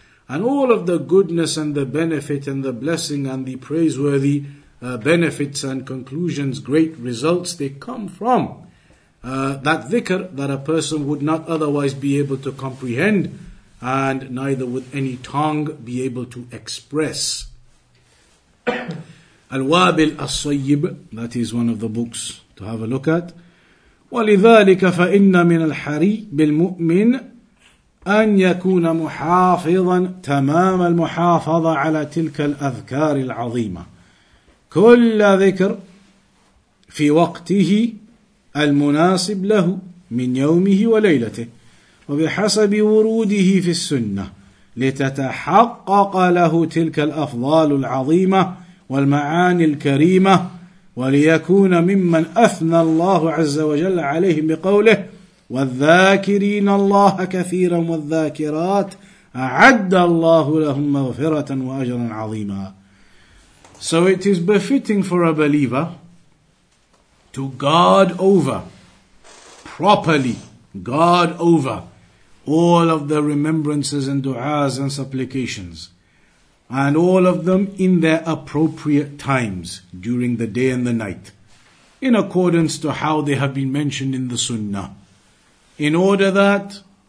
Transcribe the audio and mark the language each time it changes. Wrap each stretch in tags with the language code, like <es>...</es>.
<en>And all of the goodness and the benefit and the blessing and the praiseworthy benefits and conclusions, great results, they come from that dhikr that a person would not otherwise be able to comprehend, and neither would any tongue be able to express. Al-Wabil As-Sayyib, that is one of the books to have a look at.</en> <ar>وَلِذَٰلِكَ فَإِنَّ مِنَ الْحَرِيِّ بِالْمُؤْمِنِ أَنْ يَكُونَ مُحَافِظًا تَمَامَ الْمُحَافَظَ عَلَى تِلْكَ الْأَذْكَارِ الْعَظِيمَةِ كُلَّ ذِكْرِ فِي وَقْتِهِ المناسب له من يومه وليلته وبحسب وروده في السنة لتتحقق له تلك الأفضال العظيمة والمعاني الكريمة وليكون ممن أثنى الله عز وجل عليهم بقوله والذاكرين الله كثيرا والذاكرات أعد الله لهم مغفرة وأجرا عظيما.</ar> <en>So it is befitting for a believer to guard over, properly guard over, all of the remembrances and du'as and supplications, and all of them in their appropriate times during the day and the night, in accordance to how they have been mentioned in the sunnah, in order that</en>